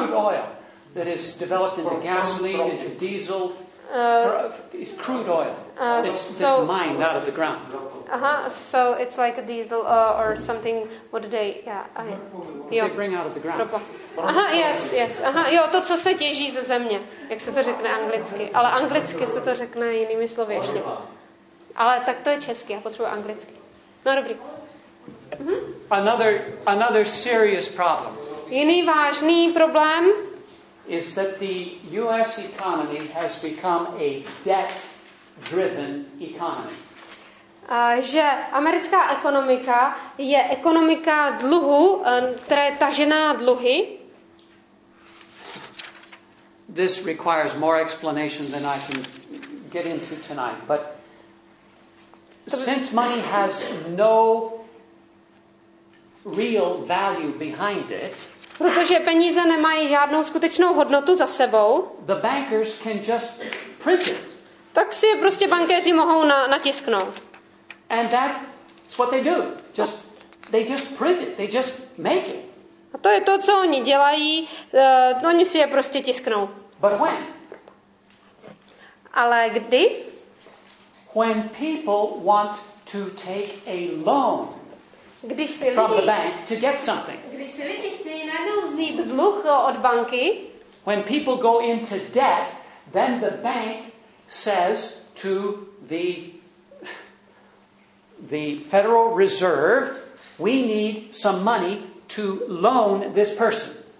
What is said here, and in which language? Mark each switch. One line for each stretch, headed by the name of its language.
English: Crude oil that is developed into gasoline, into diesel. It's crude oil. It's mined out of the ground. So it's like a diesel or something. What do they? They bring out of the ground. Yes.
Czech: Jo, to co se těží ze země. Jak se to řekne anglicky? Ale anglicky se to řekne jinými slovy ještě. Ale tak to je česky, já potřebuji anglicky. No dobrý.
English: Another serious problem.
Czech: Jiný vážný problém
English: is that the US economy has become a debt-driven economy.
Czech: Že americká ekonomika je ekonomika dluhu, která je tažená dluhy.
English: This requires more explanation than I can get into tonight, but since money has no real value behind it,
Czech: protože peníze nemají žádnou skutečnou hodnotu za sebou,
English: the bankers can just print it.
Czech: Tak si je prostě bankéři mohou natisknout.
English: And that's what they do. They just print it. They just make it.
Czech: A to je to, co oni dělají. Oni si je prostě tisknou.
English: But when?
Czech: Ale kdy?
English: When people want to take a loan from the bank to get something.
Czech: Když si lidi chtějí najednou vzít dluh od banky.
English: When people go into debt, then the bank says to the Federal Reserve, we need some money to loan this person.